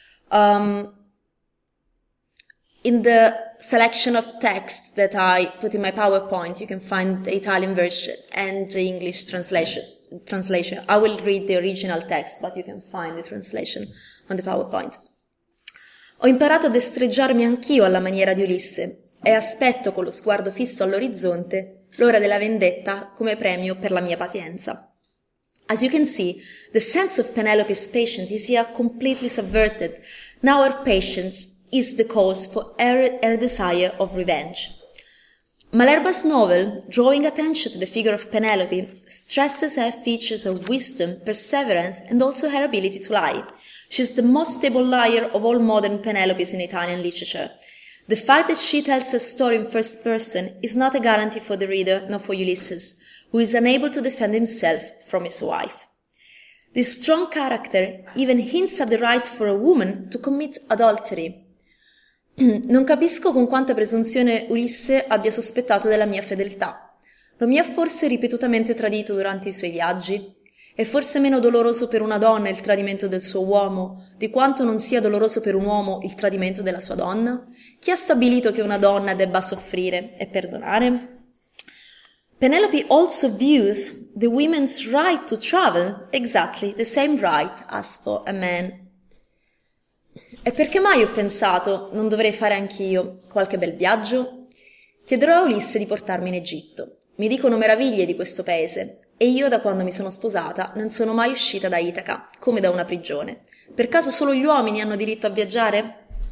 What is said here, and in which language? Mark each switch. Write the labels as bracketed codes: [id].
[en] In the selection of texts that I put in my PowerPoint, you can find the Italian version and the English translation. I will read the original text, but you can find the translation on the PowerPoint. [it] Ho imparato a destreggiarmi anch'io alla maniera di Ulisse e aspetto con lo sguardo fisso all'orizzonte l'ora della vendetta come premio per la mia pazienza. [en] As you can see, the sense of Penelope's patience is here completely subverted. Now her patience is the cause for her desire of revenge. Malerba's novel, drawing attention to the figure of Penelope, stresses her features of wisdom, perseverance, and also her ability to lie. She's the most stable liar of all modern Penelopes in Italian literature. The fact that she tells her story in first person is not a guarantee for the reader, nor for Ulysses, who is unable to defend himself from his wife. This strong character even hints at the right for a woman to commit adultery. [it] Non capisco con quanta presunzione Ulisse abbia sospettato della mia fedeltà. Non mi ha forse ripetutamente tradito durante i suoi viaggi? È forse meno doloroso per una donna il tradimento del suo uomo di quanto non sia doloroso per un uomo il tradimento della sua donna? Chi ha stabilito che una donna debba soffrire e perdonare? [en] Penelope also views the women's right to travel exactly the same right as for a man. [it] E perché mai ho pensato non dovrei fare anch'io qualche bel viaggio? Chiederò a Ulisse di portarmi in Egitto. Mi dicono meraviglie di questo paese e io da quando mi sono sposata non sono mai uscita da Ithaca, come da una prigione. Per caso solo gli uomini hanno diritto a viaggiare?